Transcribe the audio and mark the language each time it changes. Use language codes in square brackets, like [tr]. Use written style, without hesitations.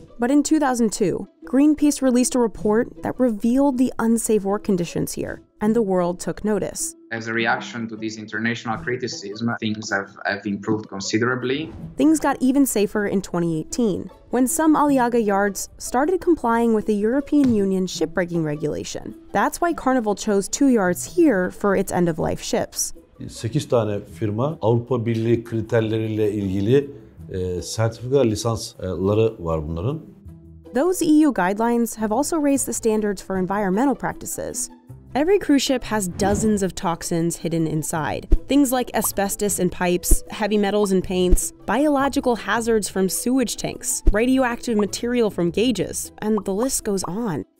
[en] But in 2002, Greenpeace released a report that revealed the unsafe work conditions here, and the world took notice. As a reaction to this international criticism, things have improved considerably. Things got even safer in 2018, when some Aliaga yards started complying with the European Union shipbreaking regulation. That's why Carnival chose two yards here for its end-of-life ships. [tr] 8 tane firma Avrupa Birliği kriterleriyle ilgili sertifika lisansları var bunların. [en] Those EU guidelines have also raised the standards for environmental practices. Every cruise ship has dozens of toxins hidden inside. Things like asbestos in pipes, heavy metals in paints, biological hazards from sewage tanks, radioactive material from gauges, and the list goes on.